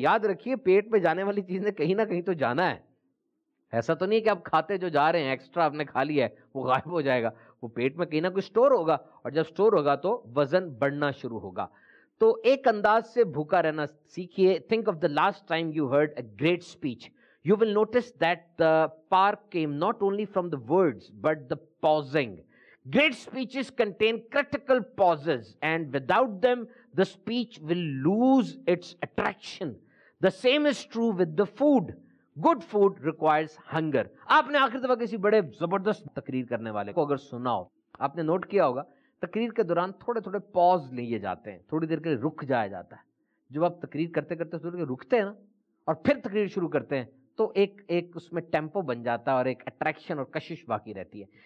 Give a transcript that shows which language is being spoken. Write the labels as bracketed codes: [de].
[hi] याद रखिए, पेट में जाने वाली चीजें कहीं ना कहीं तो जाना है, ऐसा तो नहीं कि आप खाते जो जा रहे हैं एक्स्ट्रा आपने खा लिया है वो गायब हो जाएगा, वो पेट में कहीं ना कहीं स्टोर होगा, और जब स्टोर होगा तो वजन बढ़ना शुरू होगा। तो एक अंदाज से भूखा रहना सीखिए। [en] Think of the last time you heard a great speech, you will notice that the spark came not only from the words but the pausing. Great speeches contain critical pauses, and without them, the speech will lose its attraction. The same is true with the food. Good food requires hunger. [hi] आपने आखिरी दफा किसी बड़े जबरदस्त तकरीर करने वाले को अगर सुना हो, आपने नोट किया होगा तकरीर के दौरान थोड़े थोड़े पॉज लिए जाते हैं, थोड़ी देर के लिए रुक जाया जाता है। जब आप तकरीर करते करते थोड़ी देर रुकते हैं ना और फिर तकरीर शुरू करते हैं, तो एक एक उसमें टेम्पो बन जाता है और एक अट्रैक्शन और कशिश बाकी रहती है।